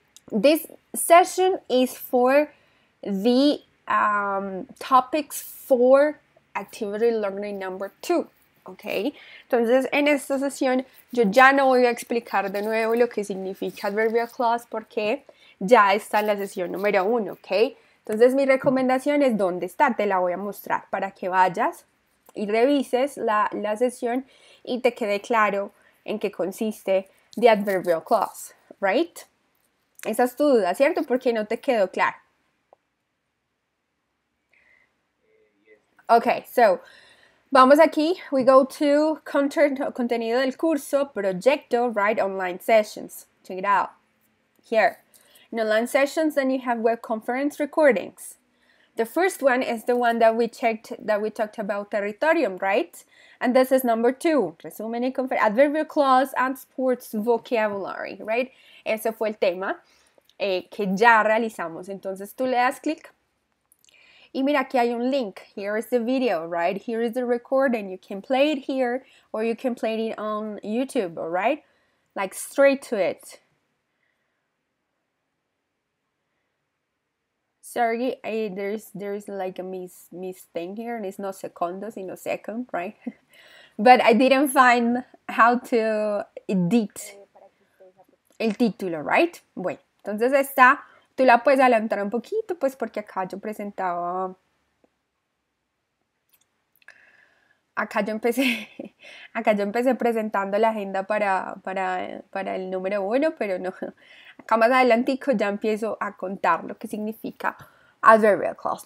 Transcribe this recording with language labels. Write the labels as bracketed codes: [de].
[en] This session is for the topics for activity learning number two. [es] Okay, entonces en esta sesión yo ya no voy a explicar de nuevo lo que significa adverbial clause porque ya está en la sesión número uno, ¿ok? Entonces mi recomendación es dónde está, te la voy a mostrar para que vayas y revises la sesión y te quede claro en qué consiste [en] the adverbial clause, [es] ¿right? Esa es tu duda, ¿cierto? Porque no te quedó claro. [en] Ok, so [es] vamos aquí, [en] we go to [es] contenido del curso, proyecto, right? [en] Online sessions. Check it out. Here. In online sessions, then you have web conference recordings. The first one is the one that we checked, that we talked about territorium, right? And this is number two. [es] Resumen y [en] adverbial clause and sports vocabulary, right? [es] Ese fue el tema que ya realizamos. Entonces tú le das clic. Y mira, aquí hay un link. [en] Here is the video, right? Here is the recording. You can play it here or you can play it on YouTube, all right? Like straight to it. Sorry, there's like a miss thing here, and it's not segundo, [es] sino [en] second, right? But I didn't find how to edit [es] el título, [en] right? [es] Bueno, entonces está, tú la puedes adelantar un poquito, pues porque acá yo empecé presentando la agenda para el número uno, pero no. Acá más adelantico ya empiezo a contar lo que significa adverbial clause.